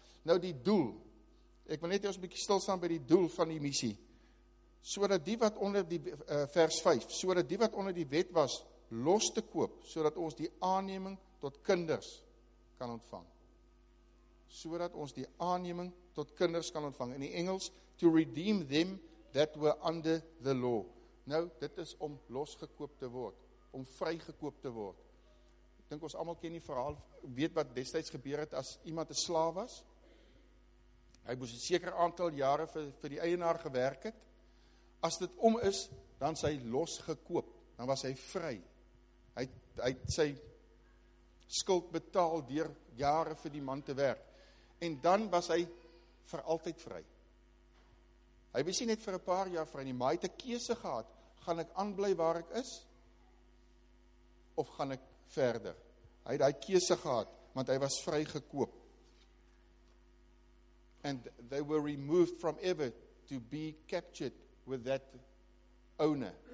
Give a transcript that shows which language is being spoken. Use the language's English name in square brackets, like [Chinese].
[Afrikaans] Nou die doel, ek wil net ons bietjie stilstaan by die doel van die missie, sodat die wat onder die wet was, los te koop, sodat ons die aanneming tot kinders kan ontvang. Sodat ons die aanneming tot kinders kan ontvang. In die Engels, [English] to redeem them that were under the law. [Afrikaans] Nou, dit is om losgekoop te word, om vrygekoop te word. Ek dink ons allemaal ken die verhaal, weet wat destijds gebeur het as iemand een slaaf was. Hy moes een sekere aantal jare vir die eienaar gewerk het. As dit om is, dan is hy losgekoop, dan was hy vry. Hy het sy skuld betaal deur jare vir die man te werk. En dan was hy vir altyd vry. Hy was nie net vir 'n paar jaar vry nie, maar hy het 'n keuse gehad. Gaan ek aanbly waar ek is, of gaan ek verder. Hy het die keuse gehad, want hy was vry gekoop. [English] And they were removed from ever to be captured with that owner.